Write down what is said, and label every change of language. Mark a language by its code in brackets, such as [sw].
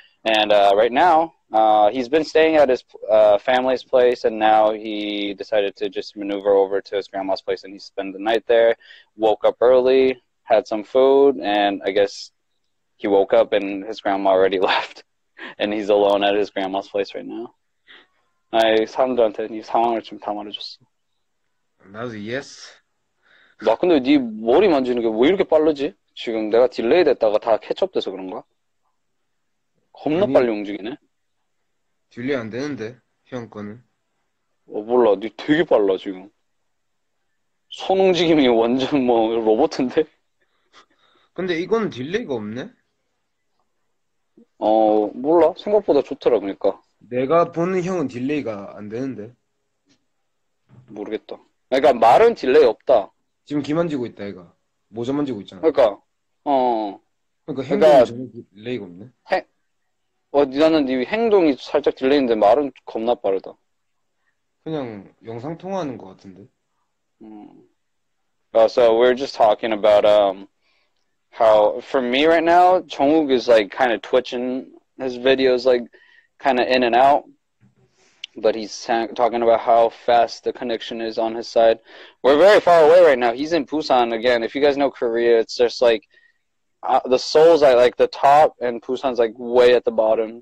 [en] And right now, he's been staying at his family's place, and now he decided to just maneuver over to his grandma's place, and he spent the night there, woke up early, had some food, and I guess he woke up and his grandma already left, and he's alone at his grandma's place right now. [ko] 아이, 사람들한테 이 상황을 좀다 말해줬어. 나도 yes. 나 근데 네 머리 만지는 게왜 이렇게 빠르지? 지금 내가 딜레이 됐다가 다 캐치업돼서 그런가? 겁나 아니, 빨리 움직이네. 딜레이 안 되는데, 형 거는. 몰라. 네 되게 빨라 지금. 손 움직임이 완전 뭐 로봇인데? 근데 이건 딜레이가 없네? 몰라. 생각보다 좋더라 그러니까. 내가 보는 형은 딜레이가 안 되는데. 모르겠다. 그러니까 말은 딜레이 없다. 지금 기 만지고 있다, 얘가. 모자 만지고 있잖아. 그러니까 그러니까 행동이 그러니까 전혀 딜레이가 없네. 나는 네 행동이 살짝 딜레이인데 말은 겁나 빠르다. 그냥 영상 통화하는 것 같은데. [en] So we're just talking about how for me right now, Jungwoo is like kind of twitching his videos like kind of in and out. But he's talking about how fast the connection is on his side. We're very far away right now. He's in Busan again. If you guys know Korea, it's just like the Seoul's at like the top, and Busan's like way at the bottom.